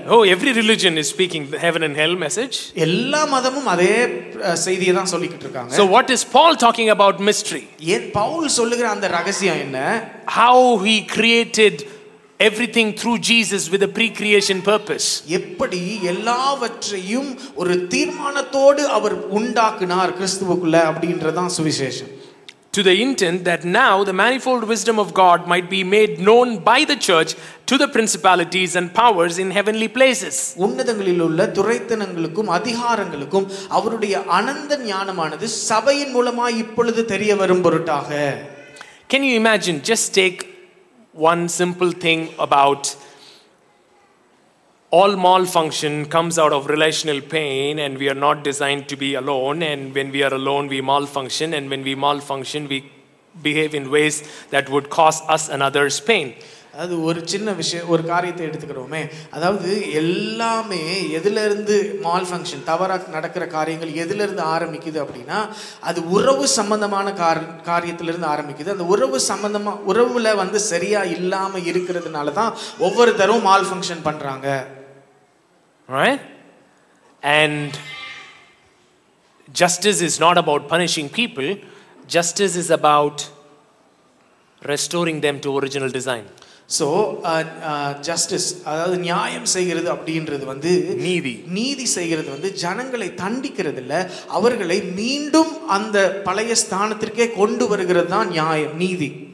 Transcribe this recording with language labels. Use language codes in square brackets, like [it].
[en] Oh, every religion is speaking the heaven and hell message. [ta] Ella madamum adhe seidhiya dhaan sollikittirukanga. [en] So what is Paul talking about mystery? [ta] Yen Paul solugira andha ragasiyam enna? [en] How he created everything through Jesus with a pre-creation purpose. [ta] எப்படி எல்லாவற்றையும் ஒரு தீர்மானத்தோடு அவர் உண்டாக்குனார் கிறிஸ்துவுக்குள்ள அப்படின்றதான் சுவிசேஷம். [en] To the intent that now the manifold wisdom of God might be made known by the church to the principalities and powers in heavenly places. [ta] உன்னதங்களில் உள்ள துரைத்தனங்களுக்கும் அதிகாரங்களுக்கும் அவருடைய அனந்த ஞானமானது சபையின் மூலமாய் இப்பொழுது தெரிய வரும் பொருட்டாக. [en] Can you imagine, just take one simple thing about all malfunction comes out of relational pain, and we are not designed to be alone, and when we are alone we malfunction, and when we malfunction we behave in ways that would cause us and others pain. [ta] அது ஒரு சின்ன விஷயம், ஒரு காரியத்தை எடுத்துக்கிறோமே, அதாவது எல்லாமே எதிலிருந்து mall function தவறாக நடக்கிற காரியங்கள் எதிலிருந்து ஆரம்பிக்குது அப்படின்னா அது உறவு சம்பந்தமான காரியத்திலிருந்து ஆரம்பிக்குது. அந்த உறவு சம்பந்தமா உறவுல வந்து சரியா இல்லாமல் இருக்கிறதுனால தான் ஒவ்வொரு தரவும் மால் ஃபங்க்ஷன் பண்ணுறாங்க. [en] And justice is not about punishing people, justice is about restoring them to original design. [ta] So justice அதாவது நியாயம் செய்கிறது அப்படின்றது வந்து நீதி, நீதி செய்கிறது வந்து ஜனங்களை தண்டிக்கிறது இல்லை, அவர்களை மீண்டும் அந்த பழைய ஸ்தானத்திற்கே கொண்டு வருகிறது தான் நியாயம், நீதி.